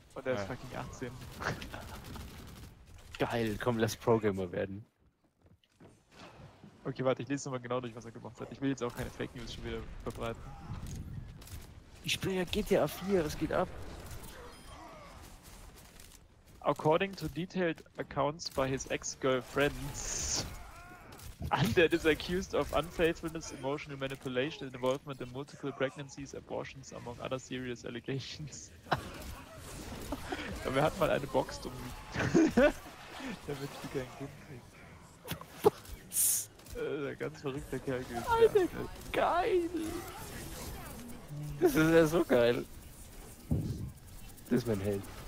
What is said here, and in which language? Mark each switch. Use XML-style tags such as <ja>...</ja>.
<de>Und der ist</de> <en>fucking</en> <de>18. Geil, komm, lass Pro-Gamer werden. Okay, warte, ich lese nochmal genau durch, was er gemacht hat. Ich will jetzt auch keine Fake News schon wieder verbreiten. Ich spiele ja GTA 4, es geht ab.</de> <en>According to detailed accounts by his ex-girlfriends, Undead is accused of unfaithfulness, emotional manipulation, and involvement in multiple pregnancies, abortions, among other serious allegations.</en> <de>Aber er hat mal eine Box um damit die kein Kind kriegt. Der ganz verrückte Kerl gewesen. Alter, ja. Geil! Das ist ja so geil. Das ist mein Held.</de>